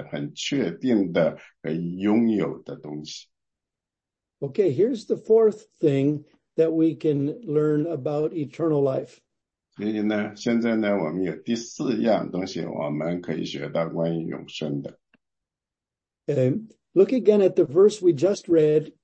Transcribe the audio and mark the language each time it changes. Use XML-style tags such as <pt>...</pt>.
<zh>所以呢,永生呢,并不是一些那些不确定的,我们在将来希望得到的东西,而是我们在今生呢,实实在在的,很确定的,可以拥有的东西。</zh> <en>Okay, here's the fourth thing that we can learn about eternal life.</en> <zh>所以呢,现在呢,我们有第四样东西,我们可以学到关于永生的。</zh> <en>Look again at the verse we just read.</en>